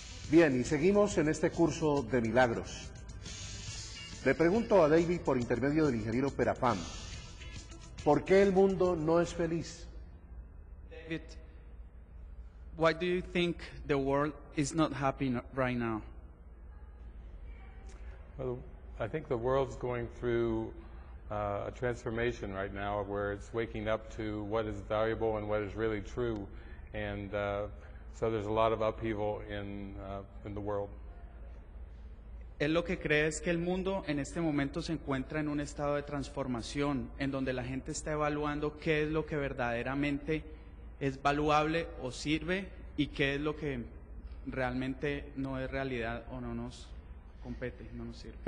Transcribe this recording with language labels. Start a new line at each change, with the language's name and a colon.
Spanish: Bien, y seguimos en este curso de milagros. Le pregunto a David por intermedio del ingeniero Perafán, ¿por qué el mundo no es feliz?
English: David, why do you think the world is not happy right now? Well, I think the world's going through a transformation right now, where it's waking up to what is valuable and what is really true, and so there's a lot of upheaval in the world.
Spanish: Él lo que cree es que el mundo en este momento se encuentra en un estado de transformación, en donde la gente está evaluando qué es lo que verdaderamente es valuable o sirve, y qué es lo que realmente no es realidad o no nos compete, no nos sirve.